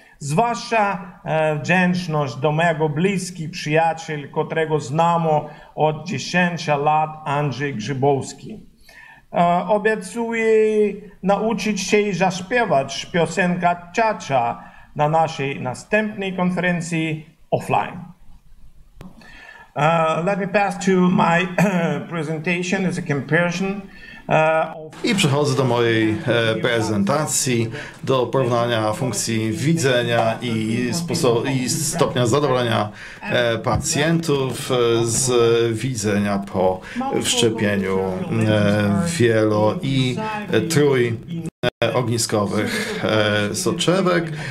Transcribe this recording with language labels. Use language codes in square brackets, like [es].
[pl] Zwłaszcza wdzięczność do mojego bliskiego przyjaciela, którego znamo od 10 lat, Andrzej Grzybowski. Obiecuję nauczyć się i zaśpiewać piosenkę Cha-Cha na naszej następnej konferencji offline. [en] Let me pass to my presentation as a comparison. [pl] I przechodzę do mojej prezentacji, do porównania funkcji widzenia i stopnia zadowolenia pacjentów z widzenia po wszczepieniu wielo- i trójogniskowych soczewek.